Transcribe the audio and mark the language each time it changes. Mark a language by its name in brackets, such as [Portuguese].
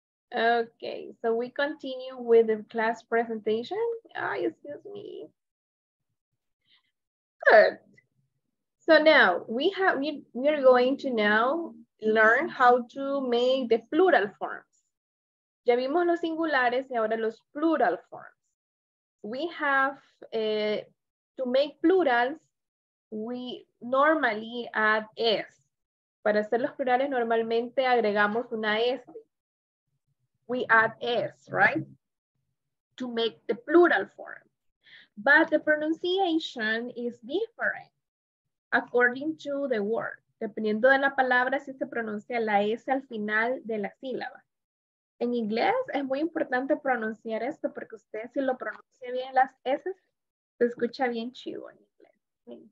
[English] Okay, so we continue with the class presentation. Good. So now we are going to now learn how to make the plural forms. [Spanish] Ya vimos los singulares y ahora los plural forms. [English] We have to make plurals. We normally add S. [Spanish] Para hacer los plurales, normalmente agregamos una S. [English] We add S, right? To make the plural form. But the pronunciation is different according to the word. [Spanish] Dependiendo de la palabra, si se pronuncia la S al final de la sílaba. En inglés es muy importante pronunciar esto porque usted, si lo pronuncia bien las S, se escucha bien chido en inglés. Bien.